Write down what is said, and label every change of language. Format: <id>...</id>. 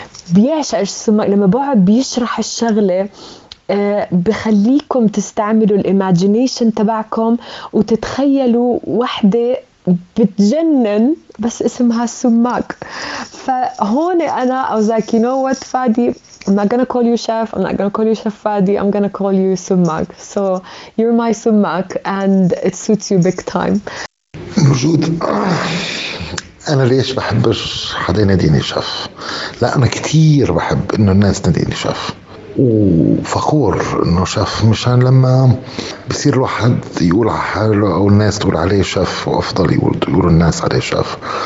<ar>بيعشق السماق لما بقعد بيشرح الشغلة بخليكم تستعملوا الإيماجينيشن تبعكم وتتخيلوا وحدة بتجنن بس اسمها سماك. فهون أنا أوزاكي نوت فادي</ar> <en>I'm not gonna call you chef. I'm not gonna call you Chef Fadi. I'm gonna call you Sumak. So you're my Sumak, and it suits you big time.</en> <ar>موجود. أنا ليش بحبش حدا يناديني شيف؟ لا أنا كتير بحب إنه الناس تناديني شيف. وفخور إنه شيف مشان لما بصير الواحد يقول على حاله أو الناس تقول عليه شيف وأفضل يقول الناس عليه شيف.</ar>